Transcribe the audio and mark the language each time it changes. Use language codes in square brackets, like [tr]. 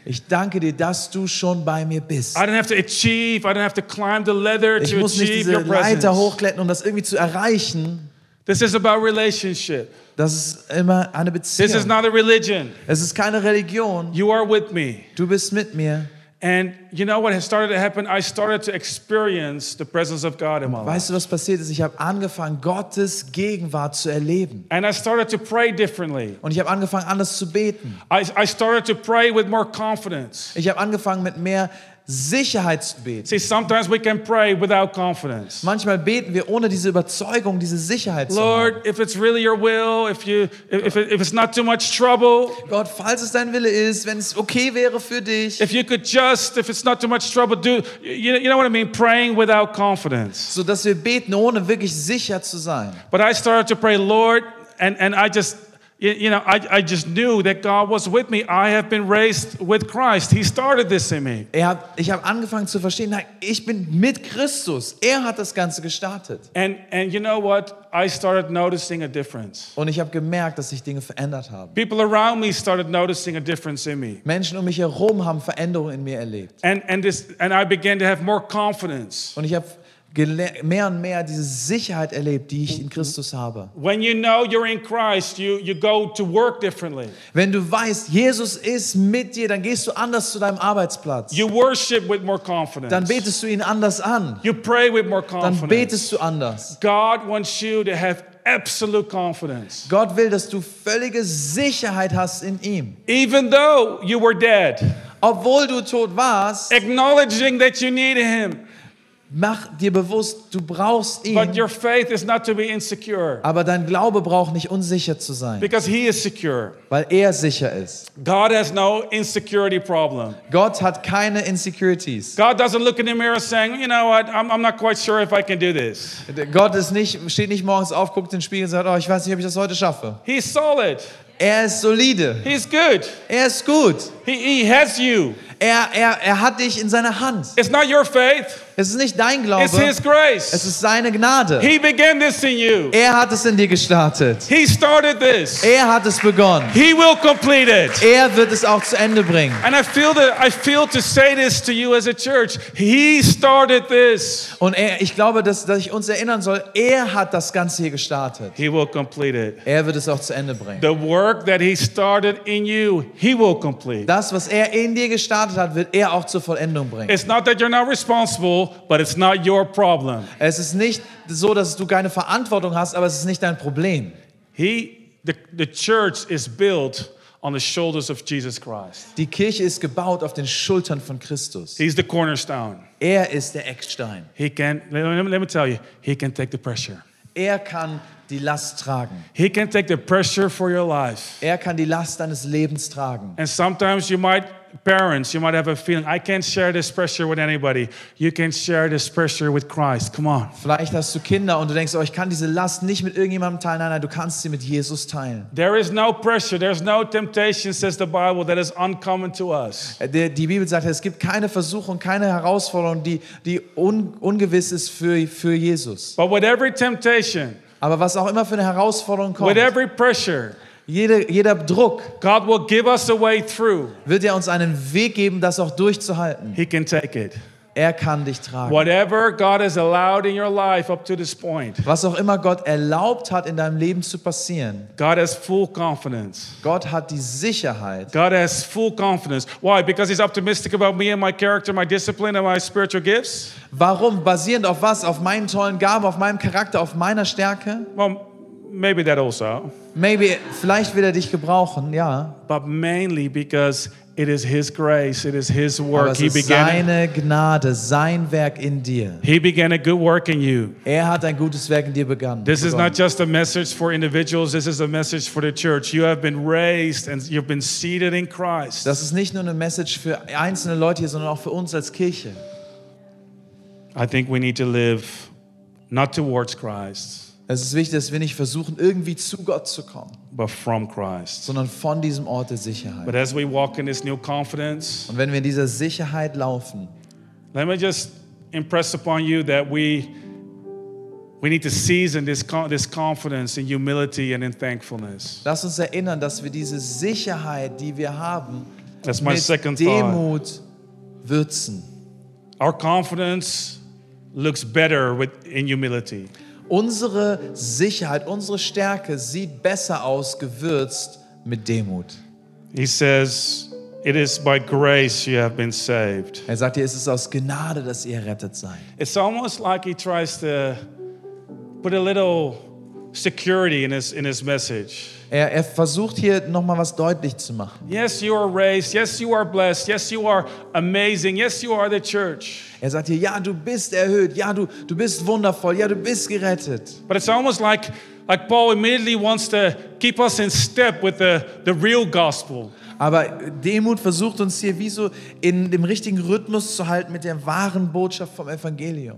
[de] Ich danke dir, dass du schon bei mir bist. [en] I don't have to achieve, I don't have to climb the ladder to achieve your presence. [de] Ich muss nicht diese Leiter hochklettern, um das irgendwie zu erreichen. [en] This is about relationship. [de] Das ist immer eine Beziehung. [en] This is not a religion. [de] Es ist keine Religion. [en] You are with me. [de] Du bist mit mir. [en] And you know what has started to happen? I started to experience the presence of God in my life. [de] Weißt du, was passiert ist? Ich habe angefangen, Gottes Gegenwart zu erleben. [en] And I started to pray differently. [de] Und ich habe angefangen, anders zu beten. [en] I started to pray with more confidence. [de] Ich habe angefangen, mit mehr Sicherheit zu beten. [en] See, sometimes we can pray without confidence. [de] Manchmal beten wir ohne diese Überzeugung, diese Sicherheit zu [en] Lord, [de] haben. [en] If it's really your will, if it's not too much trouble. [de] Gott, falls es dein Wille ist, wenn es okay wäre für dich. [en] If you could just, if it's not too much trouble, do you know what I mean? Praying without confidence. [de] So dass wir beten ohne wirklich sicher zu sein. [en] But I started to pray, Lord, and I just. You know, I just knew that God was with me. I have been raised with Christ. He started this in me. [de] Ich habe angefangen zu verstehen, nein, ich bin mit Christus. Er hat das Ganze gestartet. [en] And you know what? I started noticing a difference. [de] Und ich habe gemerkt, dass sich Dinge verändert haben. [en] People around me started noticing a difference in me. [de] Menschen um mich herum haben Veränderungen in mir erlebt. [en] And I began to have more confidence. [de] Und ich habe mehr und mehr diese Sicherheit erlebt, die ich in Christus habe. [en] When you know you're in Christ, you go to work differently. [de] Wenn du weißt, Jesus ist mit dir, dann gehst du anders zu deinem Arbeitsplatz. [en] You worship with more confidence. [de] Dann betest du ihn anders an. [en] You pray with more confidence. [de] Dann betest du anders. [en] God wants you to have absolute confidence. [de] Gott will, dass du völlige Sicherheit hast in ihm. [en] Even though you were dead. [de] Obwohl du tot warst. [en] Acknowledging that you need him. [de] Mach dir bewusst, du brauchst ihn. [en] But your faith is not to be insecure. [de] Aber dein Glaube braucht nicht unsicher zu sein. [en] Because he is secure. [de] Weil er sicher ist. [en] God has no insecurity problem. [de] Gott hat keine insecurities. [en] God doesn't look in the mirror saying, you know what, I'm not quite sure if I can do this. [de] Gott ist nicht, steht nicht morgens auf, guckt in den Spiegel und sagt, oh, ich weiß nicht, ob ich das heute schaffe. [en] He's solid. [de] Er ist solide. [en] He's good. [de] Er ist gut. [en] He has you. [de] Er hat dich in seiner Hand. [en] It's not your faith. [de] Es ist nicht dein Glaube. [en] It's his grace. [de] Es ist seine Gnade. [en] He began this in you. [de] Er hat es in dir gestartet. [en] He started this. [de] Er hat es begonnen. [en] He will complete it. [de] Er wird es auch zu Ende bringen. [en] And I feel to say this to you as a church. He started this. [de] Und ich glaube, dass ich uns erinnern soll, er hat das Ganze hier gestartet. [en] He will complete it. [de] Er wird es auch zu Ende bringen. [en] The work that he started in you, he will complete. [de] Das, was er in dir gestartet hat, wird er auch zur Vollendung bringen. [en] It's not that you're not responsible. But it's not your problem. [de] Es ist nicht so, dass du keine Verantwortung hast, aber es ist nicht dein Problem. [en] The church is built on the shoulders of Jesus Christ. [de] Die Kirche ist gebaut auf den Schultern von Christus. [en] He's the cornerstone. [de] Er ist der Eckstein. [en] He can, let me tell you, he can take the pressure. [de] Er kann die Last tragen. [en] He can take the pressure for your life. [de] Er kann die Last deines Lebens tragen. [en] And sometimes you might. Parents, you might have a feeling, I can't share this pressure with anybody. You can share this pressure with Christ. Come on. [de] Vielleicht hast du Kinder und du denkst, oh, ich kann diese Last nicht mit irgendjemandem teilen. Nein, du kannst sie mit Jesus teilen. [en] There is no pressure, there's no temptation, says the Bible, that is uncommon to us. [de] Die Bibel sagt, es gibt keine Versuchung, keine Herausforderung, die ungewiss ist für Jesus. [en] But with every temptation, [de] aber was auch immer für eine Herausforderung kommt, [en] with every pressure, [de] Jeder Druck, [en] God will give us a way through. [de] Wird er uns einen Weg geben, das auch durchzuhalten. [en] He can take it. [de] Er kann dich tragen. [en] Whatever God has allowed in your life up to this point. [de] Was auch immer Gott erlaubt hat in deinem Leben zu passieren. [en] God has full confidence. [de] Gott hat die Sicherheit. [en] God has full confidence. Why? Because he's optimistic about me and my character, my discipline and my spiritual gifts. [de] Warum? Basierend auf was? Auf meinen tollen Gaben, auf meinem Charakter, auf meiner Stärke? [en] Well, maybe that also. [de] Maybe, vielleicht will er dich gebrauchen, ja. [en] But mainly because it is his grace, it is his work. [de] Aber es ist seine Gnade, sein Werk in dir. [en] He began a good work in you. [de] Er hat ein gutes Werk in dir begonnen. [en] This is not just a message for individuals, this is a message for the church. You have been raised and you've been seated in Christ. [de] Das ist nicht nur eine Message für einzelne Leute hier, sondern auch für uns als Kirche. [en] I think we need to live not towards Christ. [de] Es ist wichtig, dass wir nicht versuchen, irgendwie zu Gott zu kommen, [en] but from Christ, [de] sondern von diesem Ort der Sicherheit. [en] But as we walk in this new confidence, [de] und wenn wir in dieser Sicherheit laufen, [en] let me just impress upon you that we need to season this confidence in humility and in thankfulness. [de] Lass uns erinnern, dass wir diese Sicherheit, die wir haben, [en] that's my [de] mit [en] second [de] Demut [en] thought. [de] Würzen. [en] Our confidence looks better in humility. [de] Unsere Sicherheit, unsere Stärke sieht besser aus, gewürzt mit Demut. [en] He says, it is by grace you have been saved. [de] Er sagt dir, es ist aus Gnade, dass ihr errettet seid. [en] It's almost like he tries to put a little security in his message. [de] Er versucht hier nochmal was deutlich zu machen. [en] Yes, you are raised. Yes, you are blessed. Yes, you are amazing. Yes, you are the church. [de] Er sagt hier, ja, du bist erhöht. Ja, du bist wundervoll. Ja, du bist gerettet. [en] But it's almost like Paul immediately wants to keep us in step with the real gospel. [de] Aber Demut versucht uns hier wie so in dem richtigen Rhythmus zu halten mit der wahren Botschaft vom Evangelium.